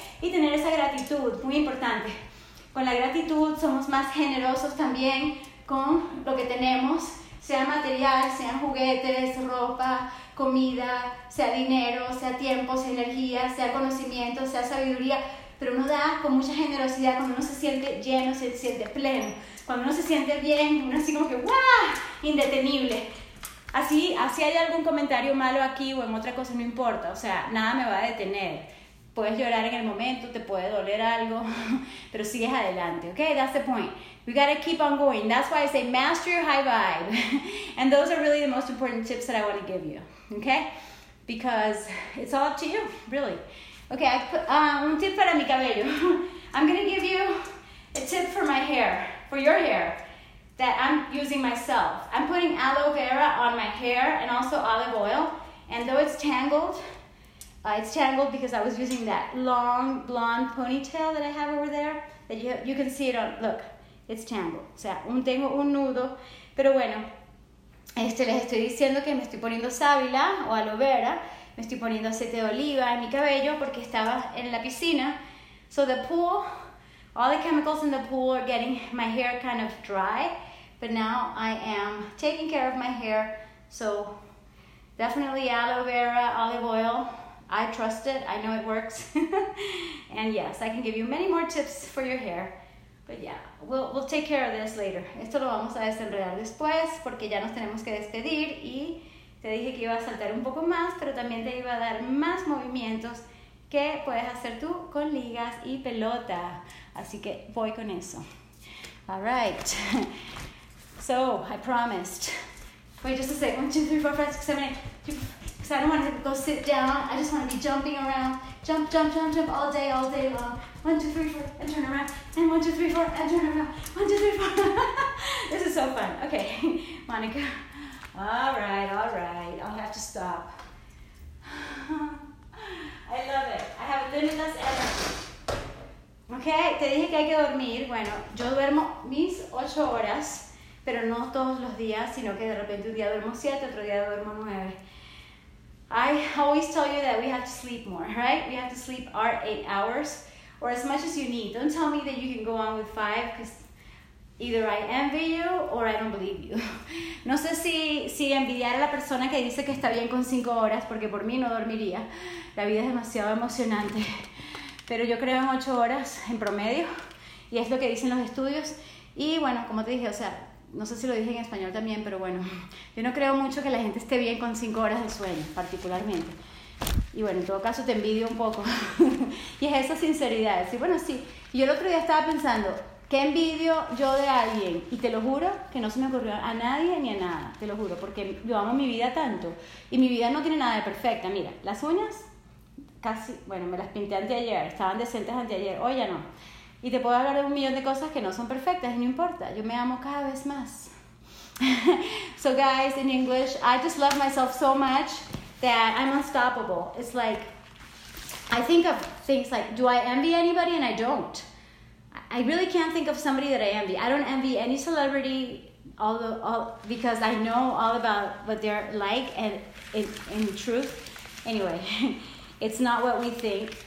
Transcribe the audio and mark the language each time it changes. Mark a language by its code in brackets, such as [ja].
[es] Y tener esa gratitud, muy importante. Con la gratitud somos más generosos también con lo que tenemos, sea material, sean juguetes, ropa, comida, sea dinero, sea tiempo, sea energía, sea conocimiento, sea sabiduría, pero uno da con mucha generosidad cuando uno se siente lleno, se siente pleno, cuando uno se siente bien, uno así como que ¡guau! Indetenible. Así hay algún comentario malo aquí o en otra cosa, no importa, o sea, nada me va a detener. Puedes llorar en el momento, te puede doler algo, pero sigues adelante, okay? [en] That's the point. We gotta keep on going. That's why I say master your high vibe. And those are really the most important tips that I want to give you, okay? Because it's all up to you, really. Okay, I put [es] un tip para mi cabello. [en] I'm gonna give you a tip for my hair, for your hair, that I'm using myself. I'm putting aloe vera on my hair and also olive oil. And though it's tangled, because I was using that long blonde ponytail that I have over there. That you can see it on, look, it's tangled. [es] O sea, tengo un nudo. Pero bueno, les estoy diciendo que me estoy poniendo sábila o aloe vera. Me estoy poniendo aceite de oliva en mi cabello porque estaba en la piscina. [en] So the pool, all the chemicals in the pool are getting my hair kind of dry. But now I am taking care of my hair. So definitely aloe vera, olive oil. I trust it. I know it works. And yes, I can give you many more tips for your hair. But yeah, we'll take care of this later. [es] Esto lo vamos a desenredar después porque ya nos tenemos que despedir. Y te dije que iba a saltar un poco más, pero también te iba a dar más movimientos que puedes hacer tú con ligas y pelota. Así que voy con eso. [en] All right. So, I promised. Wait just a second. 1, 2, 3, 4, 5, 6, 7, 8. So I don't want to go sit down. I just want to be jumping around. Jump, jump, jump, jump all day long. 1, 2, 3, 4, and turn around. And 1, 2, 3, 4, and turn around. 1, 2, 3, 4. This is so fun. Okay, Monica. All right. I'll have to stop. I love it. I have limitless energy. [es] Okay, te dije que hay que dormir. Bueno, yo duermo mis 8 horas, pero no todos los días, sino que de repente un día duermo 7, otro día duermo 9. [en] I always tell you that we have to sleep more, right? We have to sleep our 8 hours or as much as you need. Don't tell me that you can go on with five, because either I envy you or I don't believe you. [es] No sé si envidiar a la persona que dice que está bien con 5 horas, porque por mí no dormiría. La vida es demasiado emocionante. Pero yo creo en 8 horas en promedio, y es lo que dicen los estudios. Y bueno, como te dije, o sea, no sé si lo dije en español también, pero bueno, yo no creo mucho que la gente esté bien con 5 horas de sueño, particularmente. Y bueno, en todo caso te envidio un poco. Y es esa sinceridad. Sí, bueno, sí. Y yo el otro día estaba pensando, ¿qué envidio yo de alguien? Y te lo juro que no se me ocurrió a nadie ni a nada, te lo juro, porque yo amo mi vida tanto. Y mi vida no tiene nada de perfecta. Mira, las uñas, casi, bueno, me las pinté anteayer, estaban decentes anteayer, hoy ya no. Y te puedo hablar de un millón de cosas que no son perfectas, y no importa, yo me amo cada vez más. [en] So guys, in English, I just love myself so much that I'm unstoppable. It's like, I think of things like, do I envy anybody? And I don't. I really can't think of somebody that I envy. I don't envy any celebrity, all because I know all about what they're like, and in truth, anyway, it's not what we think.